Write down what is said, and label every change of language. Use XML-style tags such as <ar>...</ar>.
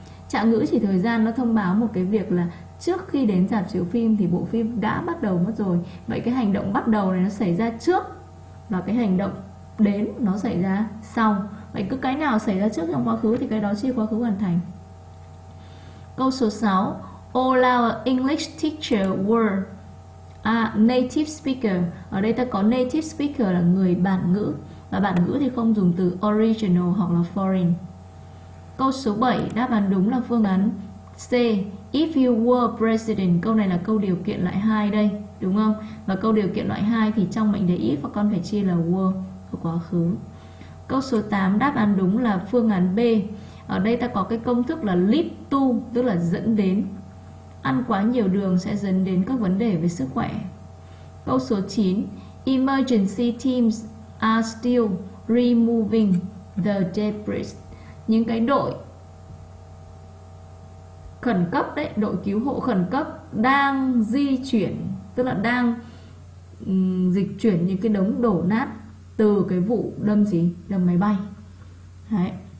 <vi>Trạng ngữ chỉ thời gian nó thông báo một cái việc là trước khi đến rạp chiếu phim thì bộ phim đã bắt đầu mất rồi. Vậy cái hành động bắt đầu này nó xảy ra trước và cái hành động đến nó xảy ra sau. Vậy cứ cái nào xảy ra trước trong quá khứ thì cái đó chia quá khứ hoàn thành. Câu số 6.</vi> <en>All our English teacher were a native speaker.</en> <vi>Ở đây ta có native speaker là người bản ngữ, và bản ngữ thì không dùng từ original hoặc là foreign. Câu số 7, đáp án đúng là phương án C.</vi> <en>If you were president,</en> <vi>câu này là câu điều kiện loại 2 đây, đúng không? Và câu điều kiện loại 2 thì trong mệnh đề if và con phải chia là were ở quá khứ. Câu số 8, đáp án đúng là phương án B. Ở đây ta có cái công thức là lead to, tức là dẫn đến. Ăn quá nhiều đường sẽ dẫn đến các vấn đề về sức khỏe. Câu số 9,</vi> <en>emergency teams are still removing the debris.</en> <vi>Những cái đội khẩn cấp đấy, đội cứu hộ khẩn cấp đang di chuyển, tức là đang dịch chuyển những cái đống đổ nát từ cái vụ đâm gì? Đâm máy bay. Đấy.</vi>